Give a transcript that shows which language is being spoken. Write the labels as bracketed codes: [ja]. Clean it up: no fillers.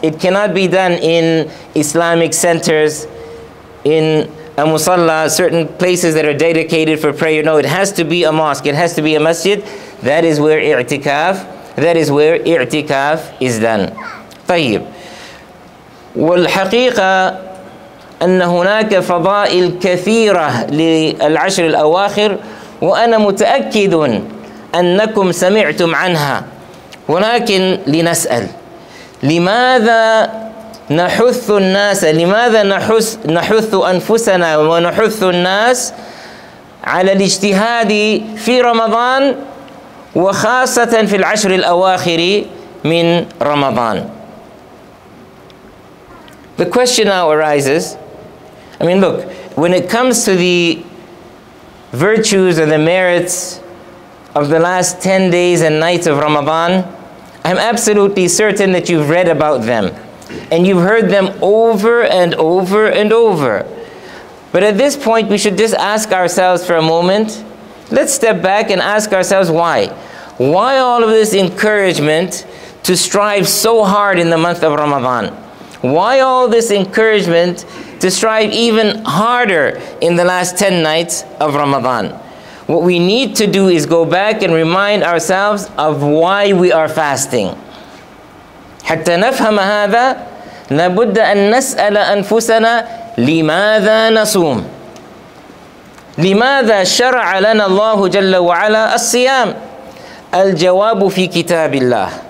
[en] It cannot be done in Islamic centers, in a musalla, certain places that are dedicated for prayer. No, it has to be a mosque, it has to be a masjid. That is where i'tikaf, that is where i'tikaf is done. [ar] طيب. والحقيقة أن هناك فضائل كثيرة للعشر الأواخر وأنا متأكد أنكم سمعتم عنها ولكن لنسأل لماذا نحث الناس لماذا نحث أنفسنا ونحث الناس على الاجتهاد في رمضان وخاصة في العشر الأواخر من رمضان. [en] The question now arises, I mean, look, when it comes to the virtues or the merits of the last 10 days and nights of Ramadan, I'm absolutely certain that you've read about them and you've heard them over and over and over. But at this point, we should just ask ourselves for a moment. Let's step back and ask ourselves why. Why all of this encouragement to strive so hard in the month of Ramadan? Why all this encouragement to strive even harder in the last 10 nights of Ramadan? What we need to do is go back and remind ourselves of why we are fasting. [ar] حتى نفهم هذا لابد أن نسأل أنفسنا لماذا نصوم؟ لماذا شرع لنا الله جل وعلا الصيام؟ الجواب في كتاب الله.